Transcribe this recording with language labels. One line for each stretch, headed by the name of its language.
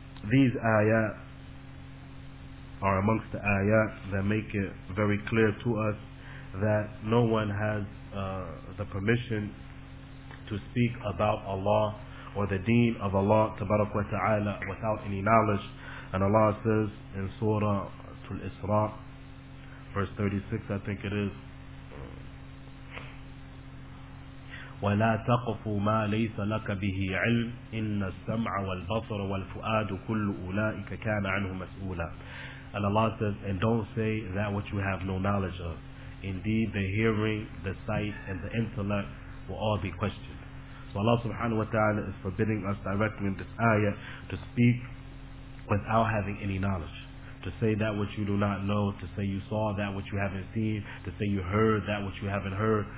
English: These ayat are amongst the ayat that make it very clear to us that no one has the permission to speak about Allah or the deen of Allah tabarak wa ta'ala without any knowledge. And Allah says in Surah Al-Isra, verse 36, I think it is,
Arabic: وَلَا تَقْفُ مَا لَيْسَ لَكَ بِهِ عِلْمٍ إِنَّ السَّمْعَ وَالْبَصَرَ وَالْفُؤَادُ كُلُّ أُولَٰئِكَ كَانَ عَنْهُ مَسْئُولًا.
English: And Allah says, and don't say that which you have no knowledge of. Indeed, the hearing, the sight, and the intellect will all be questioned. So Allah subhanahu wa ta'ala is forbidding us directly in this ayah to speak without having any knowledge. To say that which you do not know, to say you saw that which you haven't seen, to say you heard that which you haven't heard.